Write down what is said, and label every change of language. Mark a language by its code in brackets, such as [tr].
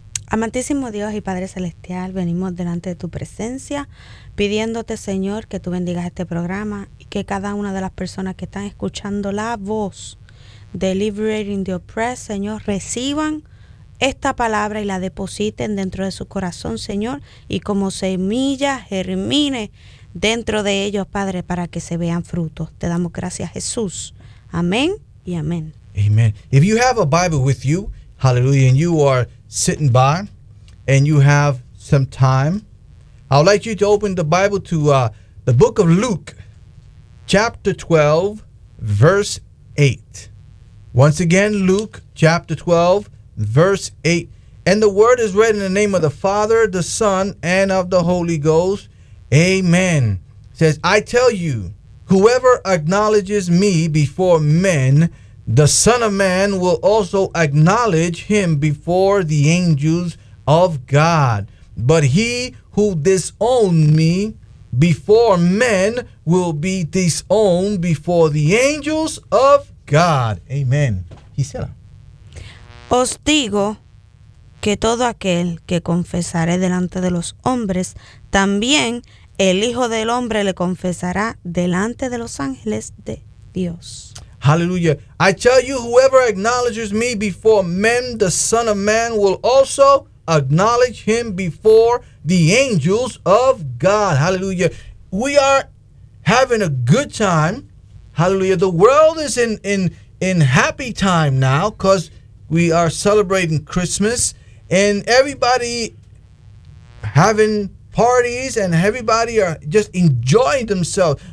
[es] Amantísimo Dios y Padre Celestial, venimos delante de tu presencia pidiéndote, Señor, que tú bendigas este programa y que cada una de las personas que están escuchando la voz de Liberating the Oppressed, Señor, reciban esta palabra y la depositen dentro de su corazón, Señor, y como semilla germine dentro de ellos, Padre, para que se vean frutos. Te damos gracias, Jesús. Amén y amén. [en] Amen. If you have a Bible with you, hallelujah, and you are sitting by and you have some time, I would like you to open the Bible to the book of Luke, chapter 12, verse 8. Once again, Luke, chapter 12, verse 8. And the word is read in the name of the Father, the Son, and of the Holy Ghost. Amen. It says, I tell you, whoever acknowledges me before men, the Son of Man will also acknowledge him before the angels of God. But he who disowns me before men will be disowned before the angels of God. Amen. Gisela. [es] Os digo que todo aquel que confesare delante de los hombres, también el Hijo del Hombre le confesará delante de los ángeles de Dios. [en] Hallelujah. I tell you, whoever acknowledges me before men, the Son of Man will also acknowledge him before the angels of God. Hallelujah. We are having a good time. Hallelujah. The world is in happy time now because we are celebrating Christmas and everybody having parties and everybody are just enjoying themselves.